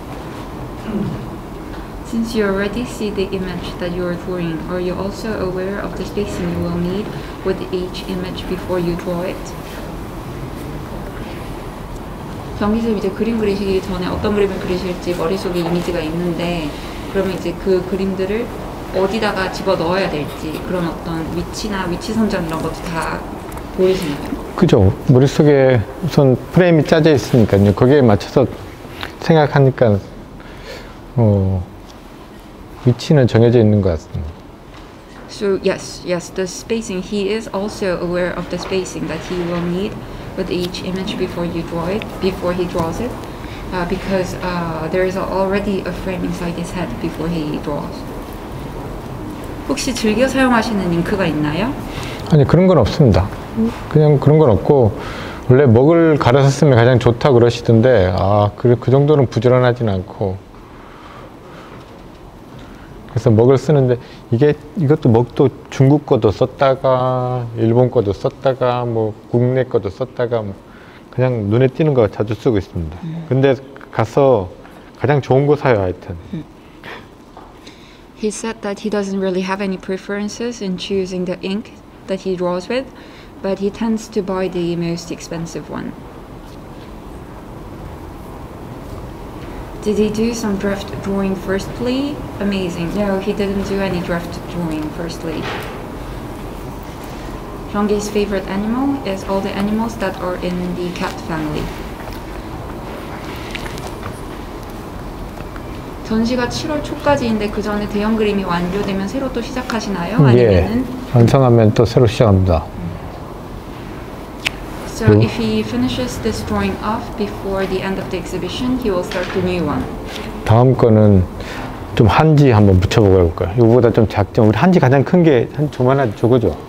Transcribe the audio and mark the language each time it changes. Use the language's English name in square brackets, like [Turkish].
[English] 'Cause you already see the image that you are drawing. Are you also aware of the spacing you will need with each image before you draw it? [Korean] 정기쌤 이제 그림 그리시기 전에 어떤 그림을 그리실지 머릿속에 이미지가 있는데, 그러면 이제 그 그림들을 어디다가 집어 넣어야 될지 그런 어떤 위치나 위치 선정 이런 것도 다 보이시나요? 그죠. 머릿속에 우선 프레임이 짜져 있으니까요. 거기에 맞춰서 생각하니까 위치는 정해져 있는 것 같습니다. [English] So yes, yes, the spacing. He is also aware of the spacing that he will need with each image before you draw it, before he draws it, because there is already a frame inside his head before he draws. [Korean] 혹시 즐겨 사용하시는 잉크가 있나요? 아니 그런 건 없습니다. 그냥 그런 건 없고 원래 먹을 갈아서 쓰면 가장 좋다 그러시던데 그 정도는 부지런하진 않고. 그래서 먹을 쓰는데 이것도 먹도 중국 거도 썼다가 일본 거도 썼다가 뭐 국내 거도 썼다가 뭐 그냥 눈에 띄는 거 자주 쓰고 있습니다. 근데 가서 가장 좋은 거 사요 하여튼. [English] He said that he doesn't really have any preferences in choosing the ink that he draws with, but he tends to buy the most expensive one. Did he do some draft drawing firstly? Amazing. No, he didn't do any draft drawing firstly. Jean-Guy's favorite animal is all the animals that are in the cat family. [Korean] 전시가 7월 초까지인데 그 전에 대형 그림이 완료되면 새로 또 시작하시나요? 아니면은 예, 완성하면 또 새로 시작합니다. [English] So 뭐? If he finishes this drawing off before the end of the exhibition, he will start the new one. [Korean] 다음 거는 좀 한지 한번 붙여보고 해볼까요? 이거보다 좀 작죠? 우리 한지 가장 큰 게 한 조만한 저거죠?